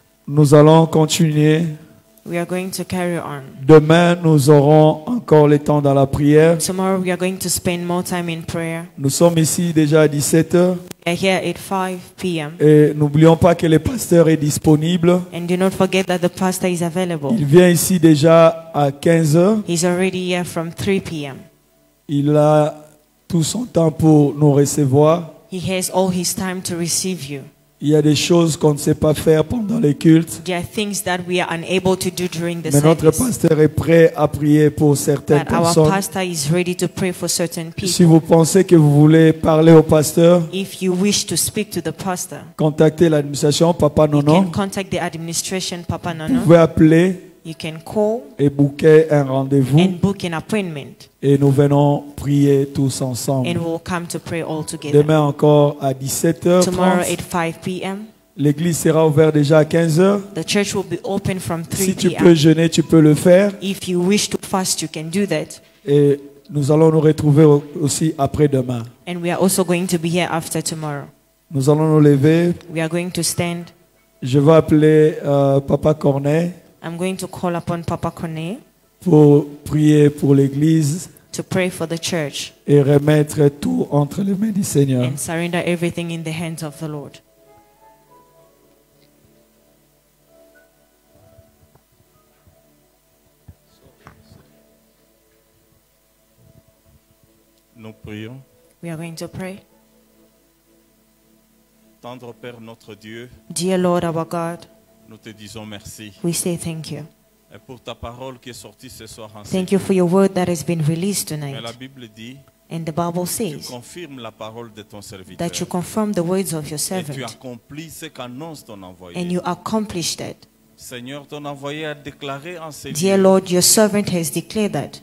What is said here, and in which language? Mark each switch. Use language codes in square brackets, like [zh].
[fr] Nous allons continuer. [en] We are going to carry on. [fr] Demain, nous aurons encore le temps dans la prière. [en] Tomorrow, we are going to spend more time in prayer. [fr] Nous sommes ici déjà à 17h. [en] We are here at 5 p.m. [fr] Et n'oublions pas que le pasteur est disponible. [en] And do not forget that the pastor is available. [fr] Il vient ici déjà à 15h. [en] He's already here from 3 p.m. [fr] Il a tout son temps pour nous recevoir. [en] He has all his time to receive you. [fr] Il y a des choses qu'on ne sait pas faire pendant les cultes. [en] There are things that we are unable to do during the [fr] mais [en] service. [fr] Notre pasteur est prêt à prier pour certaines [en] but Our pastor is ready to pray for certain people. [fr] Si vous pensez que vous voulez parler au pasteur, [en] if you wish to speak to the pastor, [fr] contactez l'administration Papa Nono. [en] You can contact the administration Papa Nono. [fr] Vous pouvez appeler [en] you can call [fr] et booker un rendez-vous [en] and book an appointment. [fr] Et nous venons prier tous ensemble. [en] And we'll come to pray all together. [fr] Demain encore à 17h. [en] Tomorrow at 5 p.m. [fr] L'église sera ouverte déjà à 15h. [en] The church will be open from 3 [fr] si [en] p.m. [fr] Si tu peux jeûner, tu peux le faire. [en] If you wish to fast, you can do that. [fr] Et nous allons nous retrouver aussi après demain. [en] And we are also going to be here after tomorrow. [fr] Nous allons nous lever. [en] We are going to stand. [fr] Je vais appeler Papa Corneille. [en] I'm going to call upon Papa Kone [fr] pour prier pour l'église [en] to pray for the church [fr] et remettre tout entre les mains du Seigneur [en] and surrender everything in the hands of the Lord. [fr] Nous prions. [en] We are going to pray. [fr] Tendre Père notre Dieu. [en] Dear Lord our God. [fr] Nous te disons merci. [en] We say thank you. [fr] Et pour ta parole qui est sortie ce soir. [en] Thank you for your word that has been released tonight. [fr] Mais la Bible dit. [en] And the Bible says. [fr] Tu confirmes la parole de ton serviteur. [en] That you confirm the words of your servant. [fr] Et tu accomplis ce qu'annonce ton envoyé. [en] And you accomplish that. [fr] Seigneur, ton envoyé a déclaré en ces [en] dear lieux, Lord, your servant has declared that.